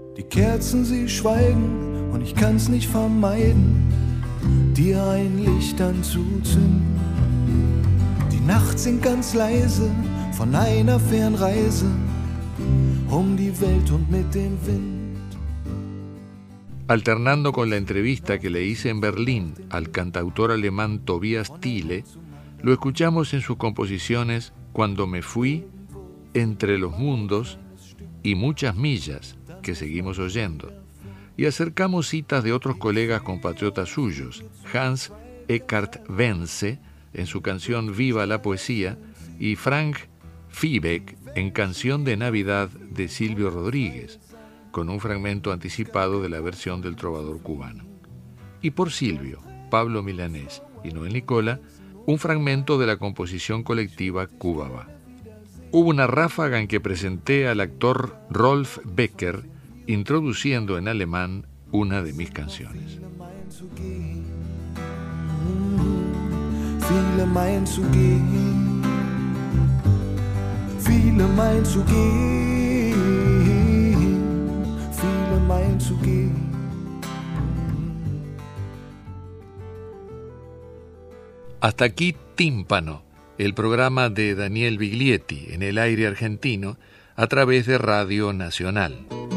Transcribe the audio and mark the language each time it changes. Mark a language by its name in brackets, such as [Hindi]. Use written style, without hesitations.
[German] Kerzen, sie schweigen und ich kann's nicht vermeiden, dir ein Licht anzuzünden. Die Nacht singt ganz leise von einer Fernreise um die Welt und mit dem Wind. [Spanish] Alternando con la entrevista que le hice en Berlín al cantautor alemán Tobias Thiele, lo escuchamos en sus composiciones Cuando me fui, Entre los mundos y Muchas millas, que seguimos oyendo. Y acercamos citas de otros colegas compatriotas suyos, Hans Eckart Wenze en su canción Viva la poesía y Frank Fiebeck en Canción de Navidad de Silvio Rodríguez, con un fragmento anticipado de la versión del trovador cubano. Y por Silvio, Pablo Milanés y Noel Nicola, un fragmento de la composición colectiva Cubaba. Hubo una ráfaga en que presenté al actor Rolf Becker introduciendo en alemán una de mis canciones. [German] Viele meinen zu gehen, viele meinen zu gehen, viele meinen zu gehen. [Spanish] Hasta aquí Tímpano, el programa de Daniel Biglietti en el aire argentino a través de Radio Nacional.